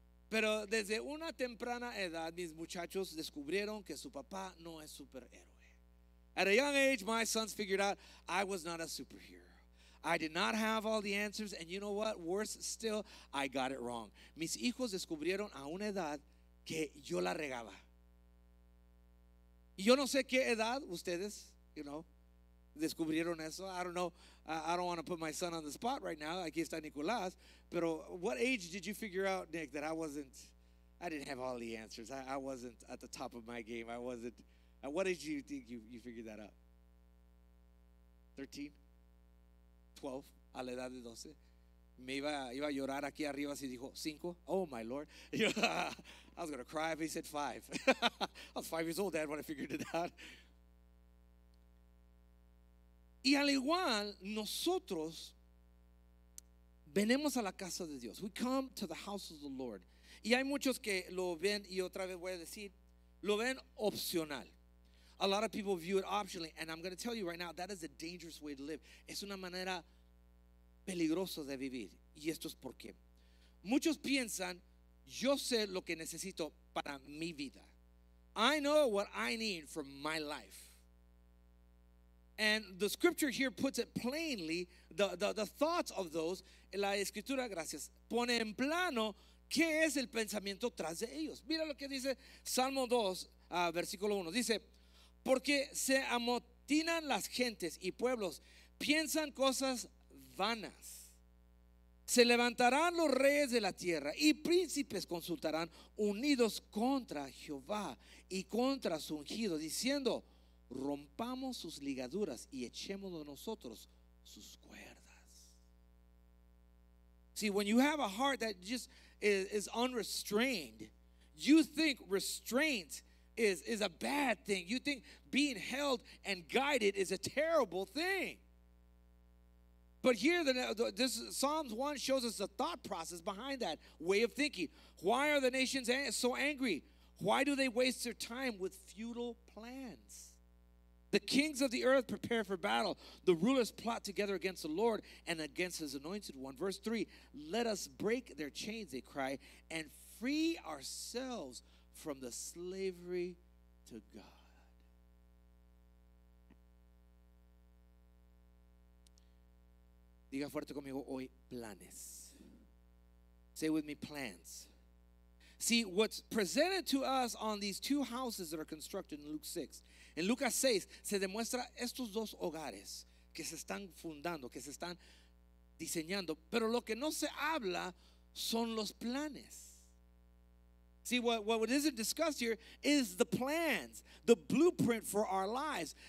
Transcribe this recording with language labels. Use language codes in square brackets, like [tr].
[es] Pero desde una temprana edad, mis muchachos descubrieron que su papá no es superhéroe. [en] At a young age, my sons figured out I was not a superhero. I did not have all the answers, and you know what? Worse still, I got it wrong. [es] Mis hijos descubrieron a una edad que yo la regaba. Y yo no sé qué edad ustedes, [en] you know, [es] descubrieron eso. [en] I don't know. I don't want to put my son on the spot right now. [es] Aquí está Nicolás. [en] Pero what age did you figure out, Nick, that I didn't have all the answers. I wasn't at the top of my game. I wasn't. What did you think you figured that out? 13? [es] 12, a la edad de 12, me iba a llorar aquí arriba si dijo 5. [en] Oh my Lord, I was going to cry if he said 5. I was 5 years old, Dad, when I figured it out. [es] Y al igual, nosotros venimos a la casa de Dios. [en] We come to the house of the Lord. [es] Y hay muchos que lo ven, y otra vez voy a decir, lo ven opcional. [en] A lot of people view it optionally, and I'm going to tell you right now, that is a dangerous way to live. [es] Es una manera peligrosa de vivir, y esto es por qué. Muchos piensan, yo sé lo que necesito para mi vida. [en] I know what I need for my life. And the scripture here puts it plainly, the thoughts of those, [es] la escritura, gracias, pone en plano qué es el pensamiento tras de ellos. Mira lo que dice Salmo 2, versículo 1, dice, porque se amotinan las gentes y pueblos, piensan cosas vanas. Se levantarán los reyes de la tierra y príncipes consultarán unidos contra Jehová y contra su ungido, diciendo, rompamos sus ligaduras y echemos de nosotros sus cuerdas. [en] See, when you have a heart that just is unrestrained, You think restraint is a bad thing. You think being held and guided is a terrible thing. But here, this Psalms 1 shows us the thought process behind that way of thinking. Why are the nations so angry? Why do they waste their time with futile plans? The kings of the earth prepare for battle. The rulers plot together against the Lord and against his anointed one. Verse 3, let us break their chains, they cry, and free ourselves from the slavery to God. [es] Diga fuerte conmigo hoy, planes. [en] Say with me, plans. See, what's presented to us on these two houses that are constructed in Luke 6. [es] En Lucas 6, se demuestra estos dos hogares que se están fundando, que se están diseñando. Pero lo que no se habla son los planes. [en] See, what isn't discussed here is the plans, the blueprint for our lives.